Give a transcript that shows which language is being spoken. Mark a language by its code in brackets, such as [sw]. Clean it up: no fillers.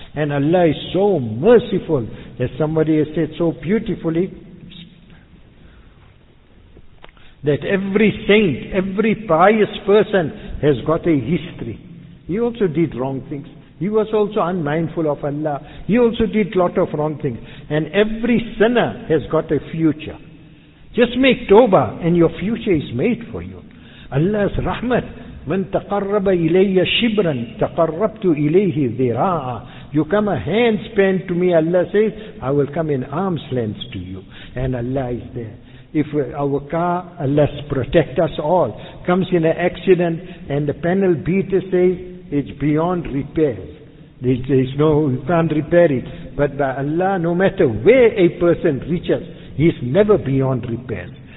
[en] And Allah is so merciful, as somebody has said so beautifully, that every saint, every pious person has got a history. He also did wrong things. He was also unmindful of Allah. He also did lot of wrong things. And every sinner has got a future. Just make tawbah and your future is made for you. Allah's rahmat. [ar] من تقرب إلي شبرا تقربت إليه ذراعا. [en] You come a hand span to me, Allah says, I will come in arm's length to you. And Allah is there. If our car, Allah protect us all, comes in an accident and the panel beater says, it's beyond repairs. There's no, you can't repair it. But by Allah, no matter where a person reaches, he's never beyond repairs.